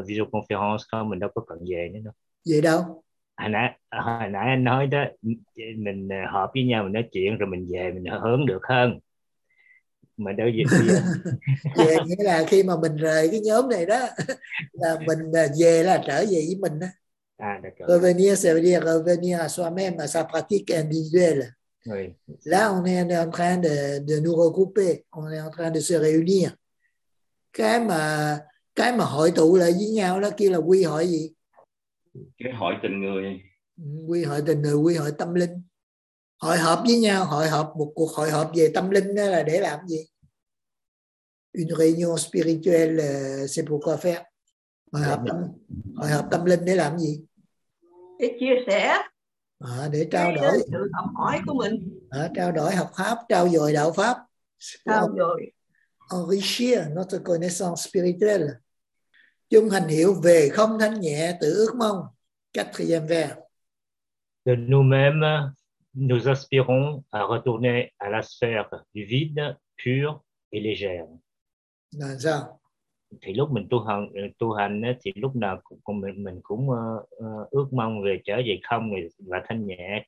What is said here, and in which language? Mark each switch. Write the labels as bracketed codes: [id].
[fr] Mais maintenant, on est à la visioconférence, on n'a pas besoin de venir. [vi] Hồi nãy anh nói đó, mình họp với nhau, mình nói chuyện rồi mình về, mình hướng được hơn. Mà đâu gì về nghĩa là khi mà mình rời cái nhóm này đó, là mình về là trở về với mình đó. [fr] Revenir, ça veut dire revenir à soi-même, à sa pratique individuelle. Oui. Là, on est en train de nous regrouper, on est en train de se réunir. [vi] Cái mà hội tụ lại với nhau đó, kêu là quy hội gì? Cái hội tình người. Quy hội tình người, quy hội tâm linh. Hội họp với nhau, hội họp, một cuộc hội họp về tâm linh đó là để làm gì? [fr] Une réunion spirituelle, c'est pour quoi faire? [vi] Hội họp tâm linh để làm gì? Để chia sẻ. À, để trao đổi. Sự học hỏi của mình. À, trao đổi học pháp, trao dồi đạo pháp. Trao dồi. [fr] Enrichir notre connaissance spirituelle. [vi] Chung hành hiệu về không thanh nhẹ từ ước mong. [fr] Quatrième vers. De nous-mêmes, nous aspirons à retourner à la sphère du vide, pur et légère. Dans ça. [vi] Thì lúc mình tu hành thì lúc nào mình cũng ước mong về trở về không và thanh nhẹ.